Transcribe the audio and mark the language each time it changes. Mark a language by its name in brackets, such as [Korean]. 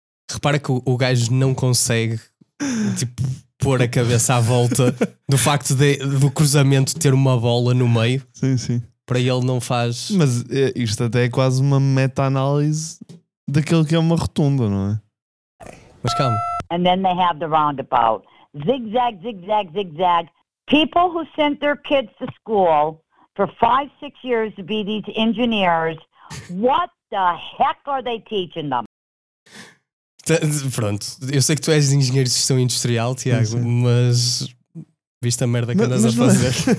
[Portuguese] Repara que o gajo não consegue, tipo, pôr a cabeça à volta do facto do cruzamento ter uma bola no meio. Sim, sim. Para ele não faz... Mas isto até é quase uma meta-análise daquilo que é uma rotunda, não é? Mas calma. [English] And then they have the roundabout. Zigzag, zigzag, zigzag. People who sent their kids to school for 5-6 years to be these engineers, what the heck are they teaching them? [Portuguese] Pronto, eu sei que tu és engenheiro de gestão industrial, Tiago, sim, sim. Mas viste a merda que andas a fazer.